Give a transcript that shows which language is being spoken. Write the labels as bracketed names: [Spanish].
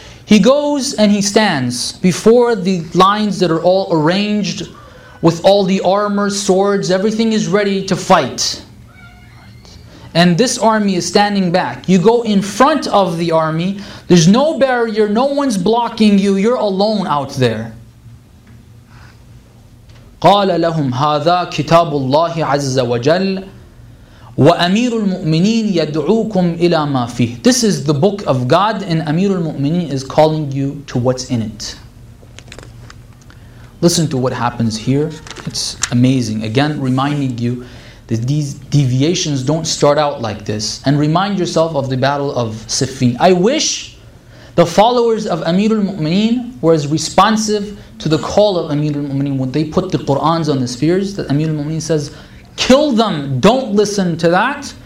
[English] He goes and he stands before the lines that are all arranged with all the armor, swords, everything is ready to fight. And this army is standing back. You go in front of the army, there's no barrier, no one's blocking you, you're alone out there. [Arabic] قال لهم هذا كتاب الله عز وجل وأمير المؤمنين يدعوكم إلى ما فيه. [English] This is the book of God and Amir al-Mu'mineen is calling you to what's in it. Listen to what happens here. It's amazing. Again, reminding you that these deviations don't start out like this. And remind yourself of the battle of Siffin. I wish the followers of Amir al-Mu'mineen were as responsive to the call of Amir al-Mu'mineen when they put the Qur'ans on the spheres, that Amir al-Mu'mineen says, kill them, don't listen to that.